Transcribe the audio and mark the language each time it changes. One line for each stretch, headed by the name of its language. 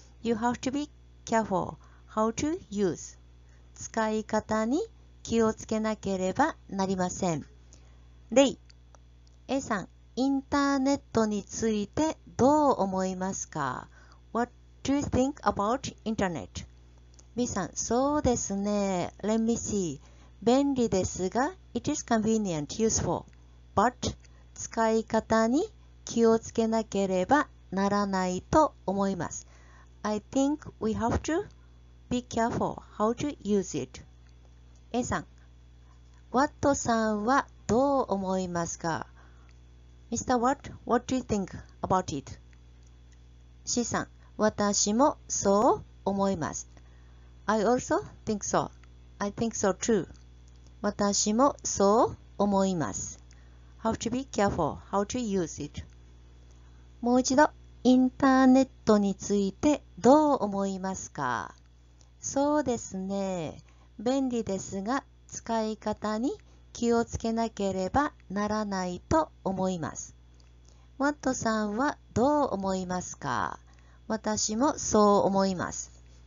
English: You have to be careful how to use.
Japanese: 使い方に気をつけなければなりません。レイ、A さん、インターネットについてどう思いますか ?
English: What do you think about internet?
Japanese: B さん、そうですね。
English: Let me see.
Japanese: 便利ですが、
English: It is convenient, useful. But
Japanese: 使い方に気をつけなければならないと思います。
English: I think we have to be careful how to use it.
Japanese: A さん、Watt さんはどう思いますか ?Mr.
English: Watt, what do you think about it?
Japanese: C さん、私もそう思います。
English: I also think so. I think so too.
Japanese: 私もそう思います。
English: Have to be careful how to use it.
Japanese: もう一度。インターネットについてどう思いますか？そうですね。便利ですが、使い方に気をつけなければならないと思います。ワットさんはどう思いますか？私もそう思います。